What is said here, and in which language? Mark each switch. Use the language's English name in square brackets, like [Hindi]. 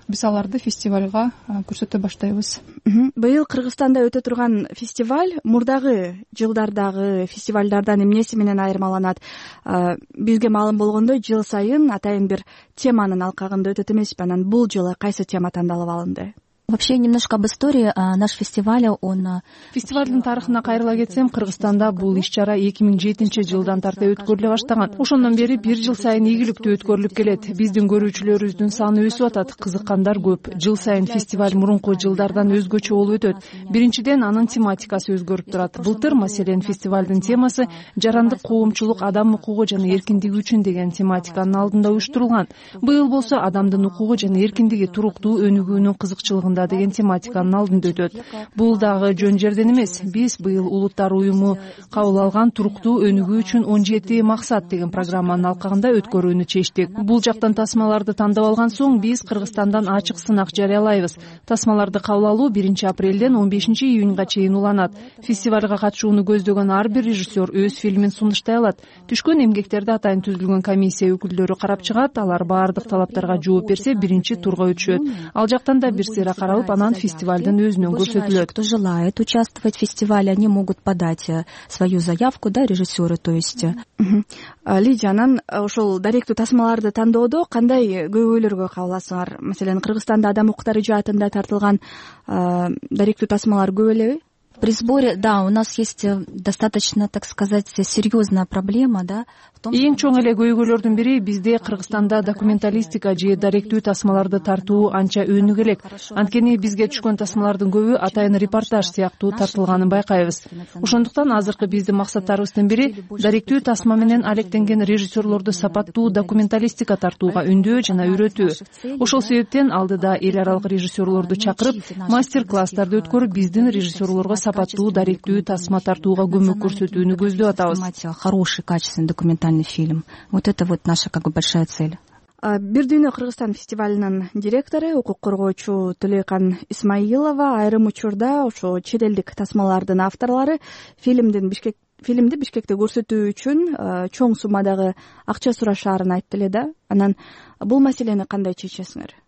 [Kyrgyz] Биз аларды фестивалга көрсөтө баштайбыз. Быйыл Кыргызстанда өтө турган фестиваль мурдагы жылдардагы фестивалдардан эмнеси менен айырмаланат? Бизге маалым болгондой, жыл сайын атайын бир теманын алкагында өтөт эмеспи? Анан бул жылы кайсы тема тандалып алынды? [Russian] Вообще, немножко об истории наш фестиваля, он... [Kyrgyz] Фестивальдин тарыхына кайрыла кетсем, Кыргызстанда бул иш-чара 2007-чи жылдан тарта өткөрүлө баштаган. Ошондон бери бир жыл сайын ийгиликтүү өткөрүлүп келет. Биздин көрүүчүлөрүбүздүн саны өсүп атат, кызыккандар көп. Жыл сайын фестиваль мурунку жылдардан өзгөчө болуп өтөт. Биринчиден, анын тематикасы өзгөрүп турат. Былтыр, маселен, фестивалдын темасы жарандык коомчулук, адам укугу жана эркиндиги үчүн деген тематиканын алдында уюштурулган. Быйыл болсо адамдын укугу жана эркиндиги туруктуу өнүгүүнүн кызыкчылыгында деген тематиканын алдында өтөт. Бул дагы жөн жерден эмес. Биз быйыл улуттар уюму кабыл алган туруктуу өнүгүү үчүн 17 максат деген программанын алкагында өткөрүүнү чечтик. Бул жактан тасмаларды тандап алган соң биз Кыргызстандан ачык сынак жарыялайбыз. Тасмаларды кабыл алуу 1-апрелден 15 июнга чейин уланат. Фестивалга катышууну көздөгөн ар бир режиссер өз фильмин сунуштай алат. Түшкөн эмгектерди атайын түзүлгөн комиссия өкүлдөрү карап чыгат. Алар баардык талаптарга жооп берсе биринчи турга өтүшөт. Ал жактан да бир сыйра каралып, анан фестивалдын өзүнөн көрсөтүлөт. [Russian] Кто желает участвовать в фестивале, они могут подать свою заявку, да, режиссеры, то есть. [Kyrgyz] Лидия, анан ошол даректүү тасмаларды тандоодо кандай көйгөйлөргө кабыласыңар? Маселен, Кыргызстанда адам укуктары жаатында тартылган даректүү тасмалар көп элеби? [Russian] При сборе, да, у нас есть достаточно, так сказать, серьезная проблема, да. [Kyrgyz] Эң чоң эле көйгөйлөрдүн бири бизде Кыргызстанда документалистика же даректүү тасмаларды тартуу анча өнүк элек. Анткени бизге түшкөн тасмалардын көбү атайын репортаж сыяктуу тартылганын байкайбыз. Ошондуктан азыркы биздин максаттарыбыздын бири даректүү тасма менен алектенген режиссерлорду сапаттуу документалистика тартууга үндөө жана үйрөтүү. Ошол себептен алдыда эл аралык режиссерлорду чакырып, мастер-класстарды өткөрүп, биздин режиссерлорго сапаттуу даректүү тасма тартууга көмөк көрсөтүүнү көздөп атабыз. [Russian] Хороший качественный документ фильм. Вот это вот наша как бы большая цель. [Kyrgyz] Бир дүйнө Кыргызстан фестивалынын директору, укук коргоочу Төлөйкан Исмаилова айрым учурда ошо чет элдик тасмалардын авторлары фильмди Бишкекте көрсөтүү үчүн чоң суммадагы акча сурашаарын айтты эле да. Анан бул маселени кандай чечесиңер?